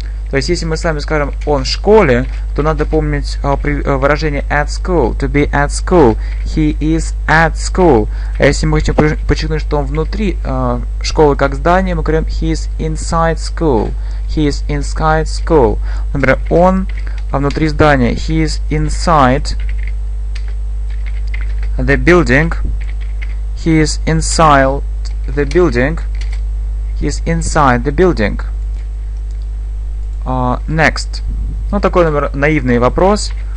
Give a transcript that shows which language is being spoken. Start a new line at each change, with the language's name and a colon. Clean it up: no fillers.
Russian: То есть, если мы с вами скажем «он в школе», то надо помнить выражение «at school», «to be at school»,
English: «he is at school».
Russian: А если мы хотим подчеркнуть, что он внутри школы как здание, мы говорим
English: «he is inside school»,
Russian: «he is inside school». Например, «он внутри здания»,
English: «he is inside the building», «he is inside the building», «he is inside the building». Next.
Russian: Ну, такой, например, наивный вопрос.